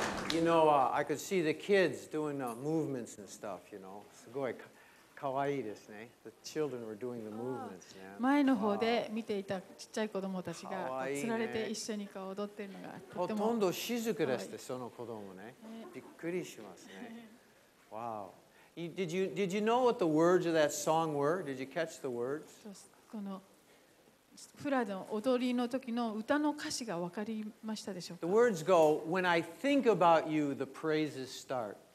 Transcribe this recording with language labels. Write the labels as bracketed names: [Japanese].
[English] You know, I could see the kids doing movements and stuff, you know. [Japanese] すごい可愛いですね。 [English] The children were doing the movements, man. [Japanese] 前の方で見ていたちっちゃい子供たちが釣られて一緒に踊っているのがとても可愛い。ほとんど静かでした、その子供ね。びっくりしますね。Wow. [English] Did you know what the words of that song were? Did you catch the words? [Japanese] このフラの踊りの時の歌の歌詞が分かりましたでしょうか。 [English] The words go, "When I think about you, the praises start."